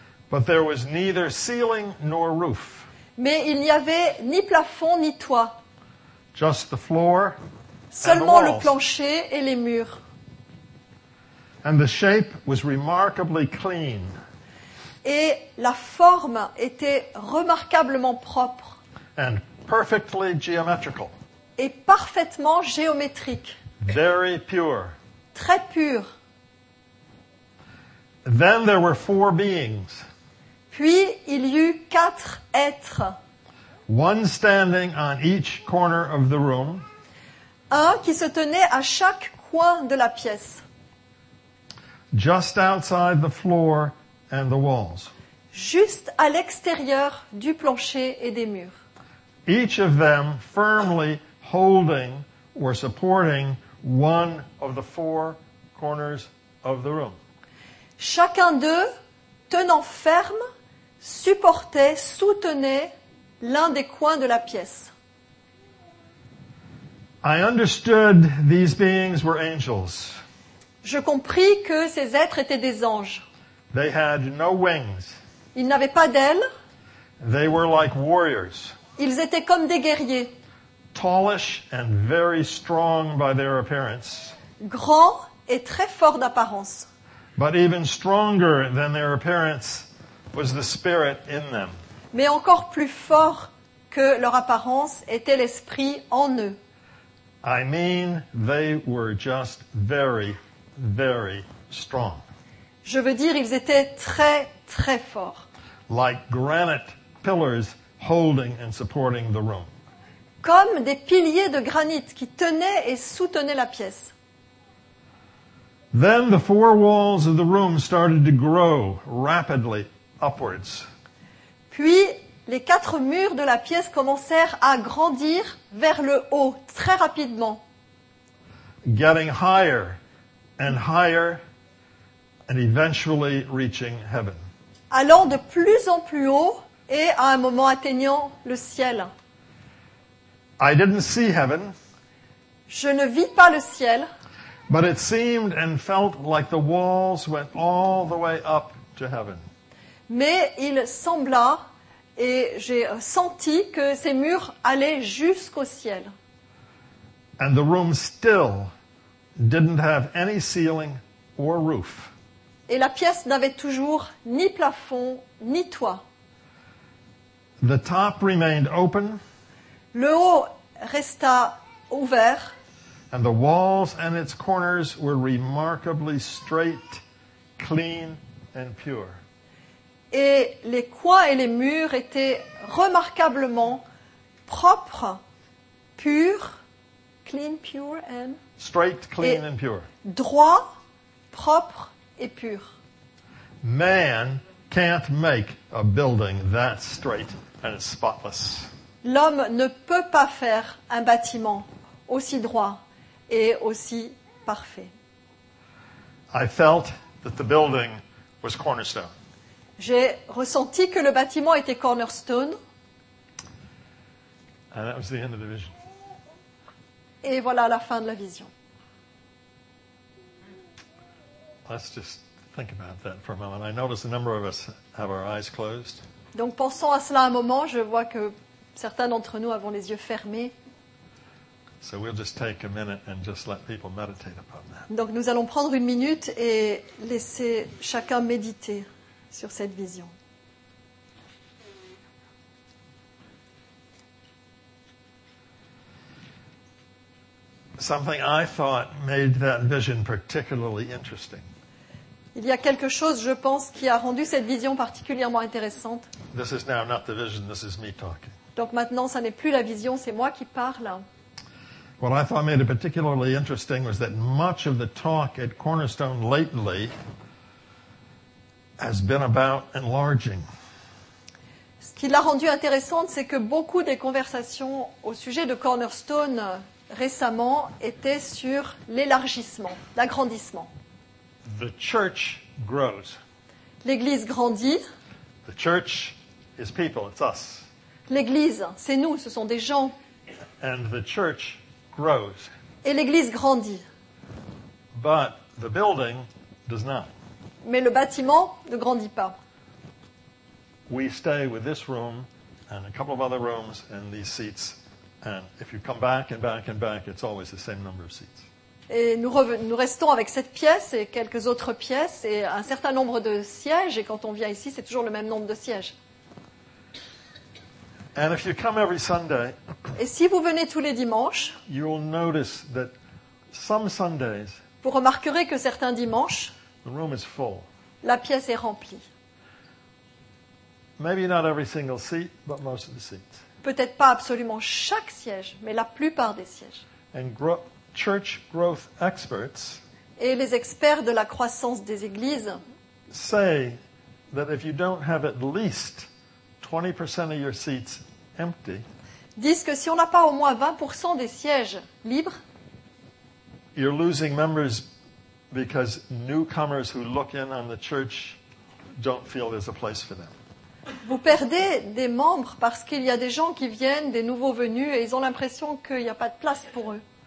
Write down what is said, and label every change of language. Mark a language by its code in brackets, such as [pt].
[en] But there was neither ceiling nor roof. [fr] Mais il n'y avait ni plafond ni toit. [en] Just the floor. [fr] Seulement [en] and the walls. [fr] Le plancher et les murs. [en] And the shape was remarkably clean. [fr] Et la forme était remarquablement propre. [en] And perfectly geometrical. [fr] Et parfaitement géométrique. [en] Very pure. [fr] Très pur. [en] Then there were four beings. [fr] Puis il y eut quatre êtres. [en] One standing on each corner of the room. [fr] Un qui se tenait à chaque coin de la pièce. [en] Just outside the floor and the walls. [fr] Juste à l'extérieur du plancher et des murs. [en] Each of them firmly holding or supporting one of the four corners of the room. [fr] Chacun d'eux, tenant ferme, supportait, soutenait l'un des coins de la pièce. [en] I understood these beings were angels. [fr] Je compris que ces êtres étaient des anges. [en] They had no wings. [fr] Ils n'avaient pas d'ailes. [en] They were like warriors. [fr] Ils étaient comme des guerriers. [en] Tallish and very strong by their appearance. [fr] Grand et très fort d'apparence. [en] But even stronger than their appearance was the spirit in them. [fr] Mais encore plus fort que leur apparence était l'esprit en eux. [en] I mean, they were just very, very strong. [fr] Je veux dire, ils étaient très, très forts. [en] Like granite pillars holding and supporting the room. [fr] comme des piliers de granit qui tenaient et soutenaient la pièce. [en] Then the four walls of the room started to grow rapidly upwards. [fr] Puis les quatre murs de la pièce commencèrent à grandir vers le haut très rapidement. [en] Getting higher and higher and eventually reaching heaven. [fr] Allant de plus en plus haut et à un moment atteignant le ciel. [en] I didn't see heaven. [fr] Je ne vis pas le ciel. [en] But it seemed and felt like the walls went all the way up to heaven. [fr] Mais il sembla et j'ai senti que ces murs allaient jusqu'au ciel. [en] And the room still didn't have any ceiling or roof. [fr] Et la pièce n'avait toujours ni plafond ni toit. [en] The top remained open. [fr] Le haut resta ouvert. [en] And the walls and its corners were remarkably straight, clean and pure. [fr] Et les coins et les murs étaient remarquablement propres, purs, [en] clean, pure and straight, clean and pure. [fr] Droit, propre et pur. [en] Man can't make a building that straight and spotless. [fr] L'homme ne peut pas faire un bâtiment aussi droit et aussi parfait. [en] I felt that the building was cornerstone. [fr] J'ai ressenti que le bâtiment était cornerstone. [en] And that was the end of the vision. [fr] Et voilà la fin de la vision. [en] Let's just think about that for a moment. I notice a number of us have our eyes closed. [fr] Donc pensons à cela un moment, je vois que certains d'entre nous avons les yeux fermés. [en] So we'll just take a minute and just let people meditate upon that. [fr] Donc nous allons prendre une minute et laisser chacun méditer sur cette vision. [en] Something I thought made that vision particularly interesting. [fr] Il y a quelque chose, je pense, qui a rendu cette vision particulièrement intéressante. [en] This is now not the vision, this is me talking. [fr] Donc maintenant, ça n'est plus la vision, c'est moi qui parle. [en] What I thought made it particularly interesting was that much of the talk at Cornerstone lately has been about enlarging. [fr] Ce qui l'a rendu intéressante, c'est que beaucoup des conversations au sujet de Cornerstone récemment étaient sur l'élargissement, l'agrandissement. [en] The church grows. [fr] L'église grandit. [en] The church is people, it's us. [fr] L'église, c'est nous, ce sont des gens. [en] And the church grows. [fr] Et l'église grandit. [en] But the building does not. [fr] Mais le bâtiment ne grandit pas. [en] We stay with this room and a couple of other rooms and these seats. And if you come back and back and back, it's always the same number of seats. [fr] Et nous restons avec cette pièce et quelques autres pièces et un certain nombre de sièges. Et quand on vient ici, c'est toujours le même nombre de sièges. [en] And if you come every Sunday, [fr] et si vous venez tous les dimanches, [en] you will notice that some Sundays, [fr] vous remarquerez que certains dimanches, [en] the room is full. [fr] La pièce est remplie. [en] Maybe not every single seat, but most of the seats. [fr] Peut-être pas absolument chaque siège, mais la plupart des sièges. [en] And church growth experts, [fr] et les experts de la croissance des églises, [en] say that if you don't have at least 20% of your seats empty, [fr] disent que si on n'a pas au moins 20% des sièges libres, [en] you're losing members because newcomers who look in on the church don't feel there's a place for them. [fr] Vous perdez des membres parce qu'il y a des gens qui viennent, des nouveaux venus, et ils ont l'impression qu'il n'y a pas de place pour eux.